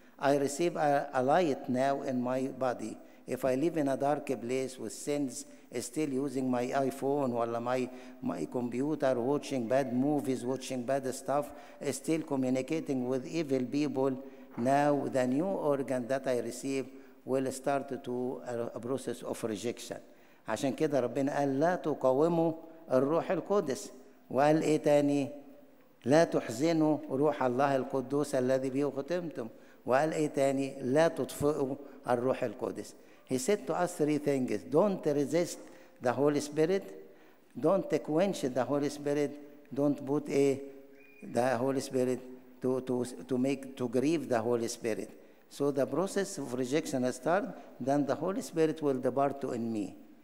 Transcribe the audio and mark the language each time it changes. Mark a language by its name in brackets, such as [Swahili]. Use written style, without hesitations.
[English] I receive a light now in my body. If I live in a dark place with sins, still using my iPhone or my computer, watching bad movies, watching bad stuff, still communicating with evil people, now the new organ that I receive will start to a process of rejection. [Arabic] عشان كده ربنا قال لا تقاوموا الروح القدس، وقال ايه تاني؟ لا تحزنوا روح الله القدوس الذي به ختمتم، وقال ايه تاني؟ لا تطفئوا الروح القدس. [English] He said to us three things: don't resist the Holy Spirit, don't quench the Holy Spirit, don't put a the Holy Spirit to grieve the Holy Spirit. So the process of rejection starts, then the Holy Spirit will depart in me.